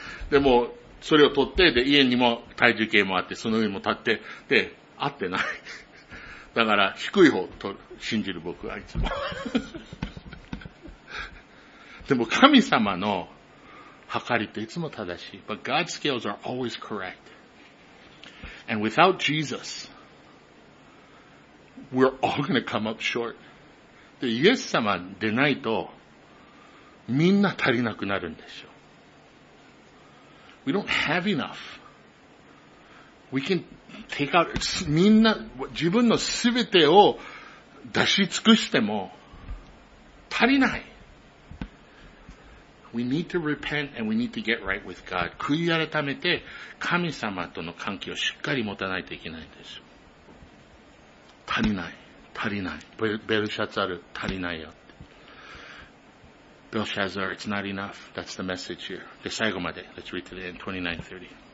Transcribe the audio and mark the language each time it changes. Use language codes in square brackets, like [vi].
[ja] でも、それを取って、で、家にも体重計もあって、その上も立って、で、合ってない。だから、低い方を取る。信じる僕はいつも。でも、神様の計りっていつも正しい。 [en] But God's scales are always correct. And without Jesus, we're all going to come up short. [ja] イエス様でないとみんな足りなくなるんでしょう。 [en] We don't have enough. We can take out [ja] みんな自分のすべてを出し尽くしても足りない。 [en] We need to repent and we need to get right with God. [ja] 悔い改めて神様との関係をしっかり持たないといけないんです。足りない。足りない。ベルシャツァル、足りないよ。 [en] Belshazzar, it's not enough. That's the message here. [ja] で、最後まで。 [en] Let's read to the end, 29:30.